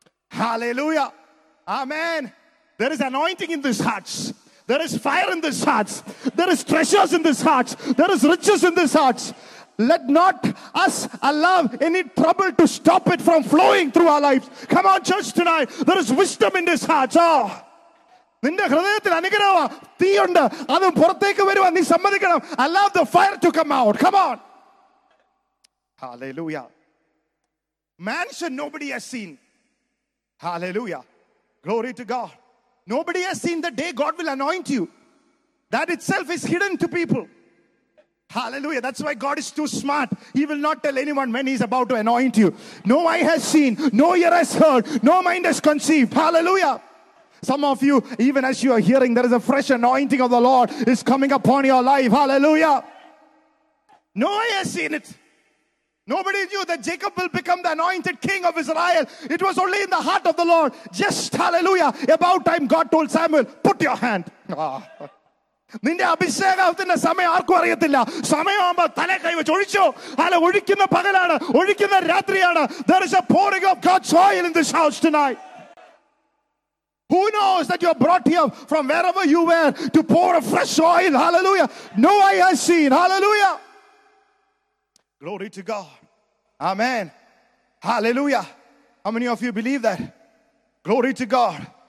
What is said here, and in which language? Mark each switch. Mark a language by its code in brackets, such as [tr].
[en] Hallelujah. Amen. There is anointing in these hearts. There is fire in these hearts. There is treasures in these hearts. There is riches in these hearts. Let not us allow any trouble to stop it from flowing through our lives. Come on, church tonight. There is wisdom in these hearts. Oh. [ml] നിന്റെ ഹൃദയത്തിൽ അനുഗ്രഹം തീയുണ്ട് അത് പുറത്തേക്ക് വരുവാൻ നീ സമ്മതിക്കണം. [en] Allow the fire to come out. Come on. Hallelujah. Man's nobody has seen. Hallelujah. Glory to God. Nobody has seen the day God will anoint you. That itself is hidden to people. Hallelujah. That's why God is too smart. He will not tell anyone when he's about to anoint you. No eye has seen, no ear has heard, no mind has conceived. Hallelujah. Some of you, even as you are hearing, there is a fresh anointing of the Lord is coming upon your life. Hallelujah. No one has seen it. Nobody knew that Jacob will become the anointed king of Israel. It was only in the heart of the Lord. Just, hallelujah, about time God told Samuel, put your hand. [ml] നിന്റെ അഭിഷേകത്തിന്റെ സമയം ആർക്കും അറിയത്തില്ല. സമയമാകുമ്പോ തല കൈവച്ച് ഒഴിച്ചോ. അല്ല, ഒഴിക്കുന്ന പകലാണ്, ഒഴിക്കുന്ന രാത്രിയാണ്. [en] There is a pouring of God's oil in this house tonight. Who knows that you are brought here from wherever you were to pour a fresh oil. Hallelujah. No eye has seen. Hallelujah. Glory to God. Amen. Hallelujah. How many of you believe that? Glory to God.